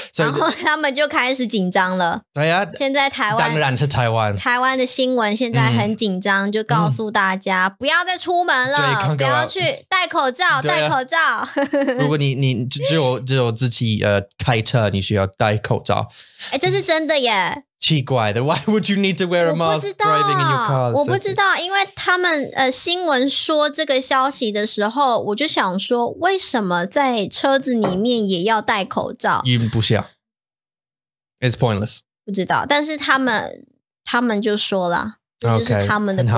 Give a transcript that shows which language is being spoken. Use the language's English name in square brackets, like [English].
[Chinese] So, 然后他们就开始紧张了对啊现在台湾当然是台湾台湾的新闻现在很紧张就告诉大家不要再出门了不要去戴口罩、啊、戴口罩。如果你只有自己开车你需要戴口罩。欸这是真的耶。 [English] 奇怪的 ,why would you need to wear a mask driving in your car? [Chinese] 我不知道因为他们新闻说这个消息的时候我就想说为什么在车子里面也要戴口罩。因不需要。 It's pointless. 不知道但是他们就说了。 [English] Okay, [Chinese] 这是他们的规定。